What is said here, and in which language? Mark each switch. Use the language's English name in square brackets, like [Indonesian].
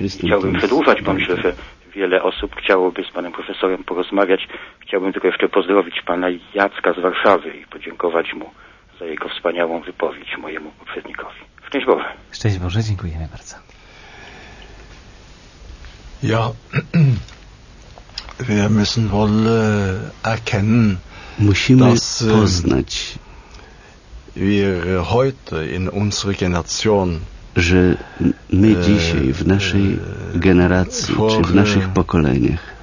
[Polish] Chciałbym przedłużać, bo myślę, że wiele osób chciałoby z panem profesorem porozmawiać. Chciałbym tylko jeszcze pozdrowić pana Jacka z Warszawy i podziękować mu za jego wspaniałą wypowiedź mojemu poprzednikowi. Szczęść Boże. Szczęść Boże, dziękujemy bardzo. [German] Ja, wir müssen wohl erkennen, [Polish] musimy [German] dass [Polish] poznać, [German] wir heute in unserer Generation, [Polish] że my dzisiaj w naszej generacji, czy w naszych pokoleniach,